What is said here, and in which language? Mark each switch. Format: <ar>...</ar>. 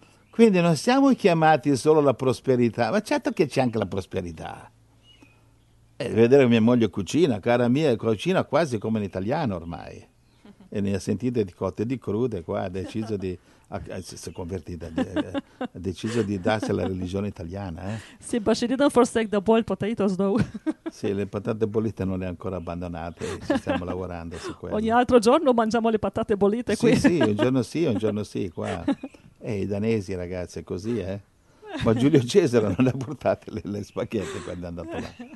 <it>Quindi non siamo chiamati solo alla prosperità, ma certo che c'è anche la prosperità. E vedere mia moglie cucina, cara mia, cucina quasi come in italiano ormai. E ne ha sentite di cotte e di crude qua, ha deciso di... si è convertita, ha deciso di darsi alla religione italiana.</it> <en>Sì, but she didn't forsake the boiled potatoes, though.</en> <it>Sì, le patate bollite non le ha ancora abbandonate, ci stiamo lavorando su quello. Ogni altro giorno mangiamo le patate bollite qui. Sì, sì, un giorno sì, un giorno sì, qua. E i danesi, ragazzi, è così, Ma Giulio Cesare non ha portato le spaghette quando è andato là.</it>